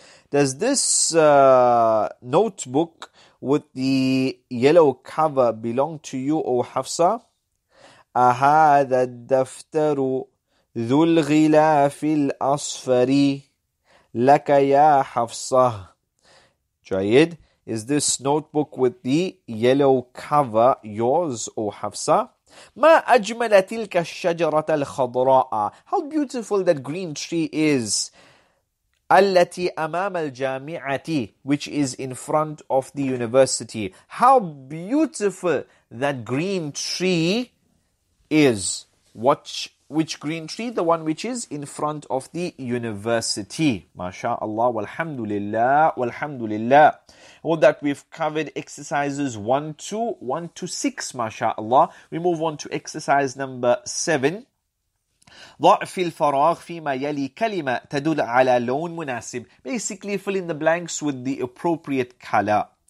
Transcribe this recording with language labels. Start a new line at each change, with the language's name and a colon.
English: Does this notebook with the yellow cover belong to you, O حفصة؟
Arabic: أهذا الدفتر ذو الغلاف الأصفر لك يا حفصة. جيد.
English: Is this notebook with the yellow cover yours, O Hafsa?
Arabic: ما أجمل تلك الشجرة الخضراء.
English: How beautiful that green tree is.
Arabic: التي أمام الجامعة,
English: which is in front of the university. How beautiful that green tree is. Which green tree? The one which is in front of the university. MashaAllah, walhamdulillah. All that we've covered, exercises 1 to 6, MashaAllah. We move on to exercise number 7.
Arabic: ضع في الفراغ فيما يلي كلمة تدل على لون مناسب.
English: Basically, fill in the blanks with the appropriate color.